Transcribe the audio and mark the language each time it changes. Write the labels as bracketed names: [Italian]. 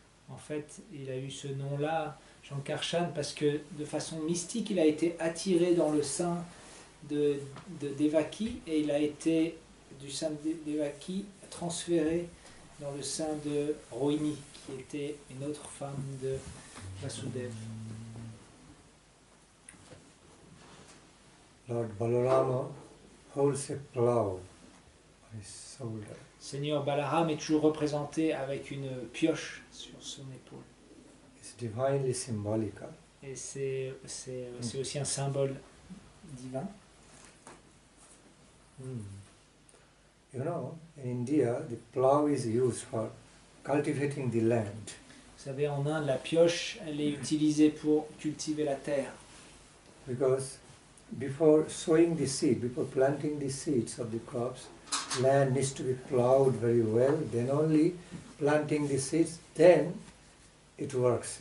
[French] En fait, il a eu ce nom-là, Shankarshan, parce que de façon mystique, il a été attiré dans le sein de Devaki, et il a été du sein de Devaki transféré dans le sein de Rohini, qui était une autre femme de Vasudeva. [English] Lord Balarama holds a plow on his shoulder. [French] Seigneur Balaram est toujours représenté avec une pioche sur son épaule. [English] It's divinely symbolical. [French] Et c'est aussi un symbole divin. [English] You know, in India, the plow is used for cultivating the land. [French] Vous savez, en Inde, la pioche, elle est utilisée pour cultiver la terre. [English] Because before sowing the seed, before planting the seeds of the crops, land needs to be plowed very well. Then only planting the seeds, then it works.